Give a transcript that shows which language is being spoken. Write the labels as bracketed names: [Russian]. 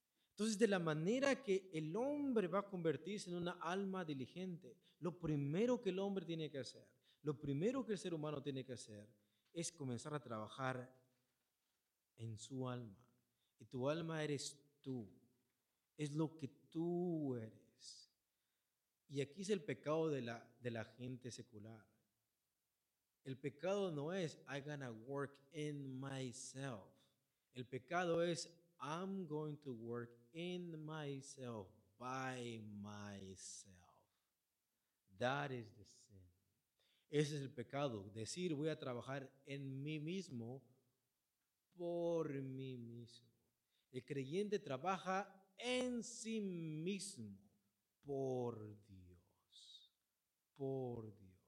[Spanish] Entonces, de la manera que el hombre va a convertirse en una alma diligente, lo primero que el hombre tiene que hacer, lo primero que el ser humano tiene que hacer, es comenzar a trabajar en su alma. Y tu alma eres tú. Es lo que tú eres. Y aquí es el pecado de la gente secular. El pecado no es, [English] I'm gonna work in myself. [Spanish] El pecado es, [English] I'm going to work in myself, by myself. That is the sin. [Spanish] Ese es el pecado. Decir, voy a trabajar en mí mismo, por mí mismo. El creyente trabaja en sí mismo, por Dios. Por Dios.